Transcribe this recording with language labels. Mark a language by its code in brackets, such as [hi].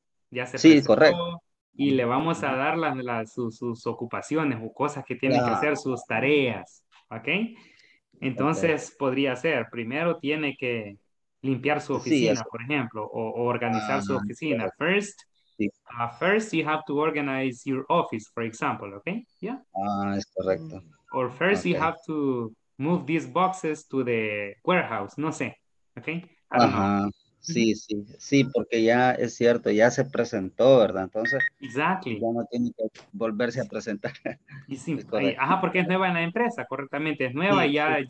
[es] Ya se sí, correcto. Y le vamos a dar sus ocupaciones o cosas que tiene que hacer, sus tareas. ¿Ok? Entonces podría ser, primero tiene que limpiar su oficina, sí, por ejemplo, o organizar su oficina. Claro. [en] First, you have to organize your office, for example. ¿Ok? Yeah. [es] Es correcto. [en] Or first, you have to move these boxes to the warehouse. [es] No sé. Okay. Ajá. Sí, sí, sí, porque ya es cierto, ya se presentó, ¿verdad? Entonces, [en] exactly. [es] Ya no tiene que volverse a presentar. Y sí, ajá, porque es nueva en la empresa, correctamente, es nueva sí, y ya, sí.